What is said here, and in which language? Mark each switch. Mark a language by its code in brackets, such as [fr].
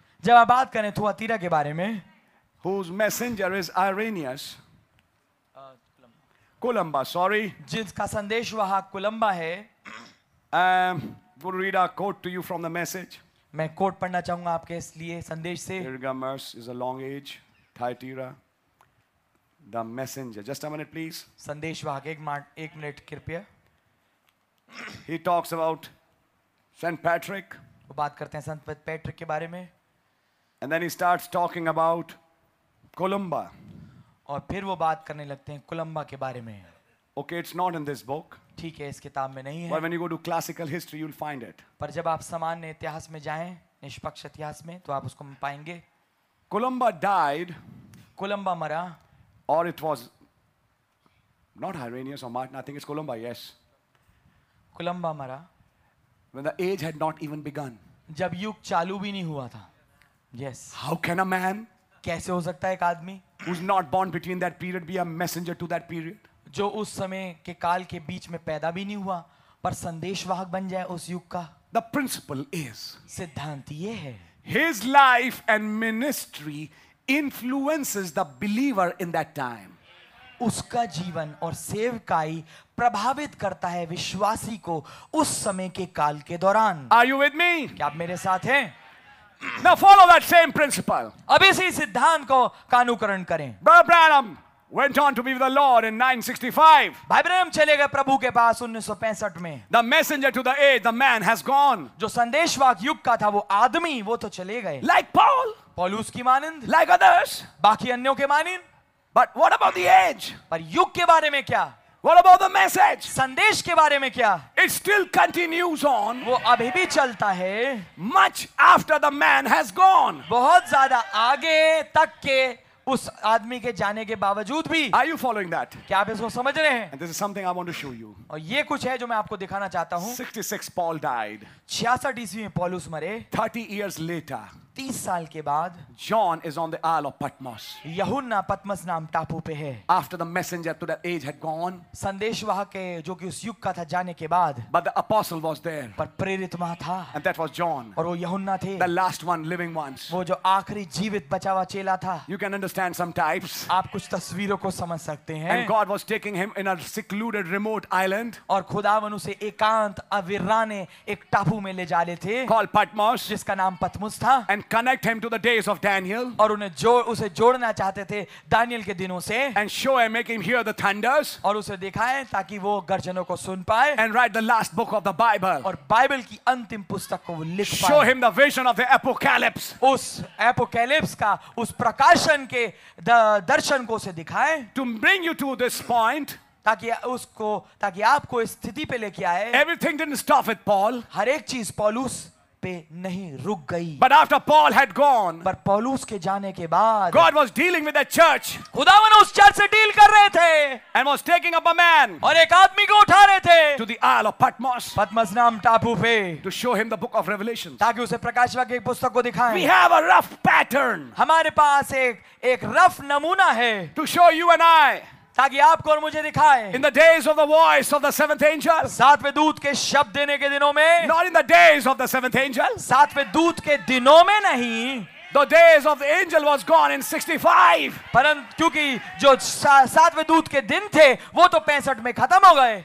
[hi] जब आप बात करें थुआतीरा के बारे में, [en] whose messenger is Irenaeus, Columba, sorry, [hi] जिसका संदेश वहाँ कुलंबा है, [en] we'll read a quote to you from the message. [hi] मैं quote पढ़ना चाहूँगा आपके इसलिए संदेश से. [en] Pergamus is a long age, Thyatira, the messenger. Just a minute, please. [hi] संदेश वहाँ एक मिनट कृपया. [en] He talks about Saint Patrick. [hi] वो बात करते हैं संत पैट्रिक के बारे में [en] and then he starts talking about Columba [hi] और फिर वो बात करने लगते हैं कोलंबा के बारे में [en] okay it's not in this book [hi] ठीक है इस किताब में नहीं है [en] but when you go to classical history you'll find it [hi] पर जब आप सामान्य इतिहास में जाएं निष्पक्ष इतिहास में तो आप उसको पाएंगे [en] Columba died [hi] Columba मरा [en] और it was not Irenaeus or Martin I think it's Columba yes [hi] Columba मरा [en] When the age had not even begun. [hi] जब युग चालू भी नहीं हुआ था. [en] Yes. How can a man? [hi] कैसे हो सकता है एक आदमी? [en] Who's not born between that period be a messenger to that period? [hi] जो उस समय के काल के बीच में पैदा भी नहीं हुआ पर संदेशवाहक बन जाए उस युग का. [en] The principle is. [hi] सिद्धांत ये है. [en] His life and ministry influences the believer in that time. [hi] उसका जीवन और सेवकाई प्रभावित करता है विश्वासी को उस समय के काल के दौरान [en] Are you with me? [hi] क्या आप मेरे साथ हैं? [en] Now follow that same principle. [hi] अब इसी सिद्धांत को कानूकरण करें [en] Brother Branham went on to be with the Lord in 965. [hi] भाई ब्रह्म चले गए प्रभु के पास 1965 में [en] The messenger to the age, the man has gone. [hi] जो संदेशवाहक युग का था वो आदमी वो तो चले गए [en] Like Paul. [hi] पौलुस की मानिंद [en] Like others. [hi] बाकी अन्यों के मानिंद [en] But what about the age? [hi] पर युग के बारे में क्या? [en] What about the message? [hi] संदेश के बारे में क्या? [en] It still continues on. [hi] वो अभी भी चलता है. [en] Much after the man has gone. [hi] बहुत ज़्यादा आगे तक के उस आदमी के जाने के बावजूद भी. [en] Are you following that? [hi] क्या आप इसको समझ रहे हैं? [en] And this is something I want to show you. [hi] और ये कुछ है जो मैं आपको दिखाना चाहता हूँ. [en] 66 Paul died. [hi] 66 ईस्वी में पौलुस मरे. [en] 30 years later. [hi] 30 साल के बाद [en] John is on the Isle of Patmos. [hi] यहुन्ना पत्मस नाम टापू पे है. [en] After the messenger to that age had gone. [hi] संदेशवाहक के जो कि उस युग का था जाने के बाद. [en] But the apostle was there. [hi] पर प्रेरित वहाँ था. [en] And that was John. [hi] और वो यहुन्ना थे. [en] The last one living ones. [hi] वो जो आखरी जीवित बचावा चेला था. [en] You can understand some types. [hi] आप कुछ तस्वीरों को समझ सकते हैं. [en] And God was taking him in a secluded, remote island. [hi] और खुदावन उसे एकांत अविराने एक टापू में ले जा रहे थे. [en] Called Patmos. [hi] जिसका नाम पत्मस था. [en] And connect him to the days of Daniel. [hi] और उन्हें जोड़ उसे जोड़ना चाहते थे दानियल के दिनों से. [en] And show and make him hear the thunders. [hi] और उसे दिखाएं ताकि वो गर्जनों को सुन पाए. [en] And write the last book of the Bible. [hi] और बाइबल की अंतिम पुस्तक को लिख पाए. [en] Show him the vision of the apocalypse. [hi] उस एपोकैलिप्स का उस प्रकाशन के दर्शन को उसे दिखाएं. [en] To bring you to this point. [hi] ताकि उसको ताकि आपको इस स्थिति पे लेके आए. [en] Everything didn't stop with Paul. [hi] हर एक चीज पौलुस नहीं रुक गई. [en] But after Paul had gone, [hi] पर पौलुस के जाने के बाद, [en] God was dealing with the church. [hi] खुदावन उस चर्च से डील कर रहे थे. [en] And was taking up a man. [hi] और एक आदमी को उठा रहे थे. [en] To the Isle of Patmos. [hi] पत्मस नाम टापू पे. [en] To show him the book of Revelation. [hi] ताकि उसे प्रकाशवाक्य की पुस्तक को दिखाएं. [en] We have a rough pattern. [hi] हमारे पास एक रफ नमूना है. [en] To show you and I. [hi] ताकि आपको और मुझे दिखाए. [en] In the days of the voice of the seventh angel. [hi] सातवें दूत के शब्द देने के दिनों में. [en] Not in the days of the seventh angel. [hi] सातवें दूत के दिनों में नहीं. [en] The days of the angel was gone in 65. [hi] परंतु क्योंकि जो सातवें दूत के दिन थे वो तो 65 में खत्म हो गए.